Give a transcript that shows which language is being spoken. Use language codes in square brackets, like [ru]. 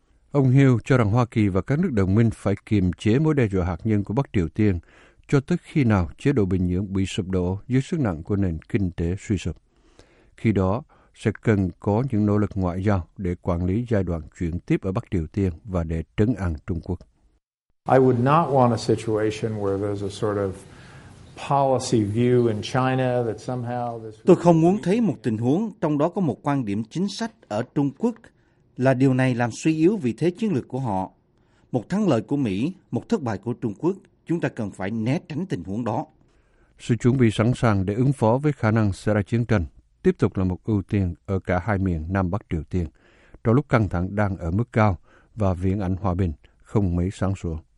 [vi] Ông Hill cho rằng Hoa Kỳ và các nước đồng minh phải kiềm chế mối đe dọa hạt nhân của Bắc Triều Tiên cho tới khi nào chế độ Bình Nhưỡng bị sụp đổ dưới sức nặng của nền kinh tế suy sụp. Khi đó, sẽ cần có những nỗ lực ngoại giao để quản lý giai đoạn chuyển tiếp ở Bắc Triều Tiên và để trấn an Trung Quốc. [en] I would not want a situation where there's a sort of policy view in China that somehow this. [vi] Tôi không muốn thấy một tình huống trong đó có một quan điểm chính sách ở Trung Quốc là điều này làm suy yếu vị thế chiến lược của họ. Một thắng lợi của Mỹ, một thất bại của Trung Quốc, chúng ta cần phải né tránh tình huống đó. Sự chuẩn bị sẵn sàng để ứng phó với khả năng xảy ra chiến tranh tiếp tục là một ưu tiên ở cả hai miền Nam Bắc Triều Tiên, trong lúc căng thẳng đang ở mức cao và viễn ảnh hòa bình không mấy sáng sủa.